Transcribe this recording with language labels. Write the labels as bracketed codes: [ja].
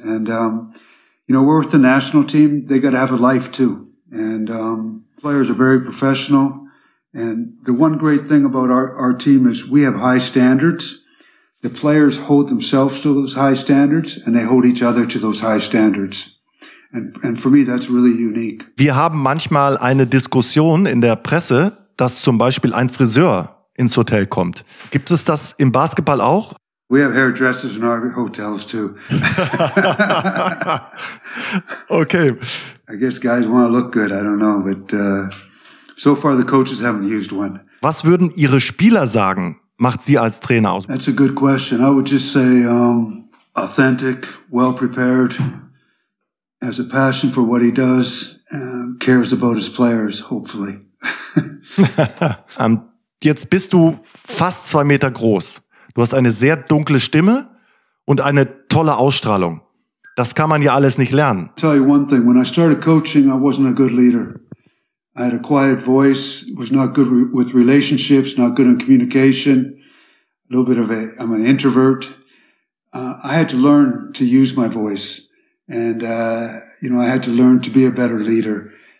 [en] And, you know, we're with the national team. They got to have a life too. And, players are very professional. And the one great thing about our team is we have high standards. The players hold themselves to those high standards and they hold each other to those high standards. And for me, that's really unique. [de] Wir haben manchmal eine Diskussion in der Presse, dass zum Beispiel ein Friseur ins Hotel kommt. Gibt es das im Basketball auch? [en] We have hairdressers in our hotels too. Okay. I guess guys want to look good. I don't know, but so far the coaches haven't used one. [de] Was würden Ihre Spieler sagen, macht Sie als Trainer aus? [en] That's a good question. I would just say authentic, well prepared, has a passion for what he does, cares about his players, hopefully. [de] Jetzt bist du fast 2 Meter groß. Du hast eine sehr dunkle Stimme und eine tolle Ausstrahlung. Das kann man ja alles nicht lernen. [en] I'll tell you one thing. When I started coaching, I wasn't a good leader. I had a quiet voice, was not good with relationships, not good in communication, a little bit of I'm an introvert. I had to learn to use my voice. And, you know, I had to learn to be a better leader.